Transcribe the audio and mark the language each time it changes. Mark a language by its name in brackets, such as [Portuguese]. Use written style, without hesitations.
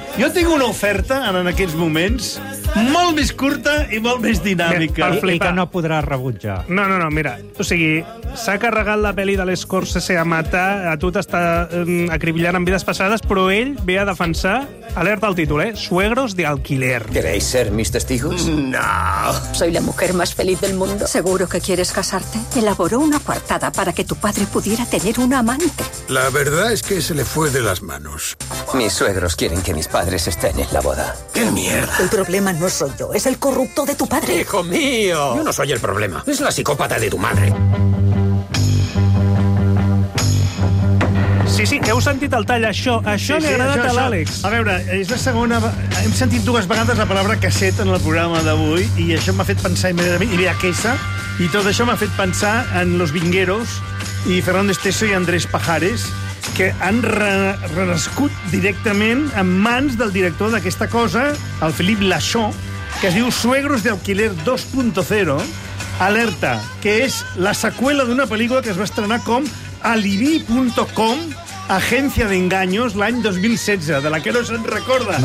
[Catalan] Jo tinc una oferta en aquests moments molt més curta i molt més dinàmica. I que no podrà rebutjar. No, no, no, mira, o sigui, s'ha carregat la pel·li de l'Scorsese a matar, a tu t'està acribillant en vides passades, però ell ve a defensar, alerta al títol, eh? [Spanish] Suegros de alquiler. ¿Queréis ser mis testigos? No. Soy la mujer más feliz del mundo. ¿Seguro que quieres casarte? Elaboró una coartada para que tu padre pudiera tener un amante. La verdad es que se le fue de las manos. Mis suegros quieren que mis padres estén en la boda. ¡Qué mierda! El problema no soy yo, es el corrupto de tu padre. ¡Hijo mío! Yo no soy el problema, es la psicópata de tu madre. [Catalan] Sí, sí, heu sentit el tall, això sí, li ha agradat això, a l'Àlex. A veure, és la segona... Hem sentit dues vegades la paraula casset en el programa d'avui i això m'ha fet pensar immediatament... I VHS, i tot això m'ha fet pensar en Los Vingueros i Fernández Teso i Andrés Pajares, que han renascut directament en mans del director d'aquesta cosa, el Philippe Lachaud, que es diu Suegros de Alquiler 2.0, alerta, que és la seqüela d'una pel·lícula que es va estrenar com Alibi.com, agència d'enganyos, l'any 2016, de la que no se'n recorda